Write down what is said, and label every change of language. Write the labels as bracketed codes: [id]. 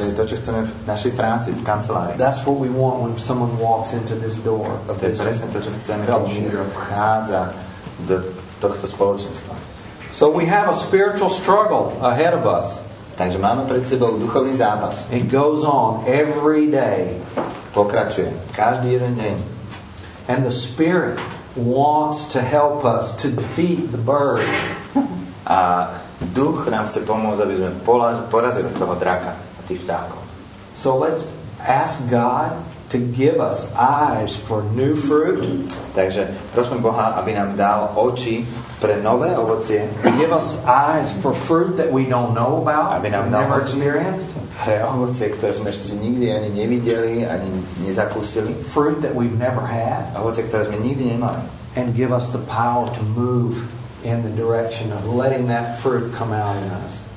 [sk] To je to, čo chceme v našej práci, v kancelárii. [en] That's what we want when someone walks into this door. [sk] To je presne to, čo chceme, keď niekto vchádza do tohto spoločenstva. [en] So we have a spiritual struggle ahead of us. [sk] Takže máme pred sebou duchovný zápas. [en] It goes on every day. [sk] Pokračuje každý jeden deň. [en] And the Spirit wants to help us to defeat the bird. [sk] A Duch nám chce pomôcť, aby sme porazili toho draka a tých vtákov. [en] So let's ask God to give us eyes for new fruit. [sk] Takže prosme Boha, aby nám dal oči pre nové ovocie. [en] Give us eyes for fruit that we don't know about. [sk] Aby nám dal oči pre ovocie, ktoré sme ešte nikdy ani nevideli, ani nezakúsili. [en] Fruit that we've never had. [sk] Ovocie, ktoré sme nikdy nemali. [en] And give us the power to move in the direction of letting that fruit come out in us.